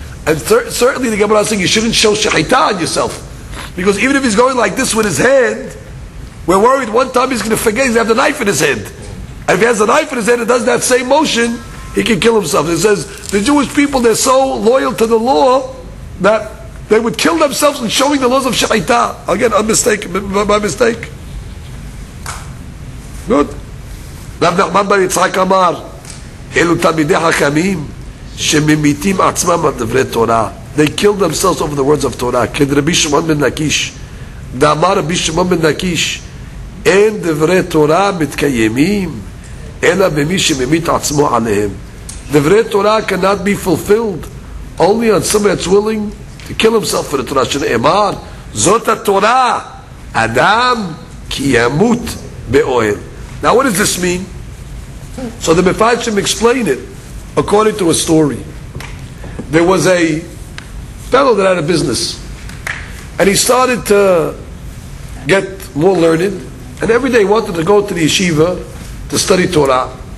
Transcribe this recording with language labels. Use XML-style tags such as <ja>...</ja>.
<en>And certainly the Gemara is saying you shouldn't show shechita on yourself. Because even if he's going like this with his hand, we're worried one time he's going to forget he's going to have the knife in his hand. And if he has the knife in his hand and does that same motion, he can kill himself. It says the Jewish people, they're so loyal to the law that they would kill themselves in showing the laws of shechita. Again, my mistake. Good. Rav Nachman bar Yitzhak amar,</en> <he>אלו תלמידי חכמים שממיתים עצמם על דברי תורה.</he> <en>They kill themselves over the words of Torah.</en> <he>כדרבי שמעון בן לקיש, דאמר רבי שמעון בן לקיש, אין דברי תורה מתקיימים אלא במי שממית עצמו עליהם.</he> <en>דברי תורה cannot be fulfilled only on somebody that's willing to kill himself for the Torah.</en> <he>שנאמר, זאת התורה, אדם כי ימות באוהל.</he> <en>Now, what does this mean? So the Mefarshim explain it according to a story. There was a fellow that had a business, and he started to get more learned, and every day he wanted to go to the yeshiva to study Torah.</en>